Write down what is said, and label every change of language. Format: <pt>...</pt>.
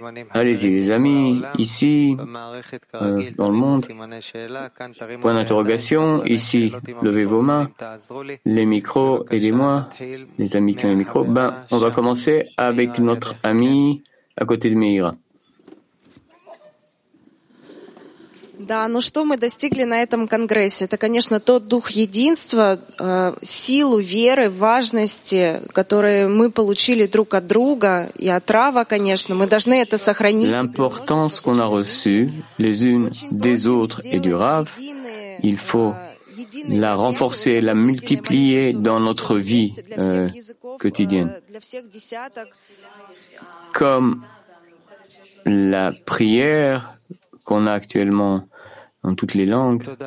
<fr>Allez-y, les amis, ici, dans le monde, point d'interrogation, ici, levez vos mains, les micros, aidez-moi, les amis qui ont les micros. Ben, on va commencer avec notre ami à côté de Meira.</fr> <ru>Да, ну что мы достигли на этом конгрессе? Это, конечно, тот дух единства, силу веры, важности, которые мы получили друг от друга, и отрава, конечно, мы должны это сохранить.</ru> <fr>L'importance qu'on a reçue les unes des autres et du Rav, il faut la renforcer, la multiplier dans notre vie quotidienne. Comme la prière qu'on a actuellement dans toutes les langues.</fr>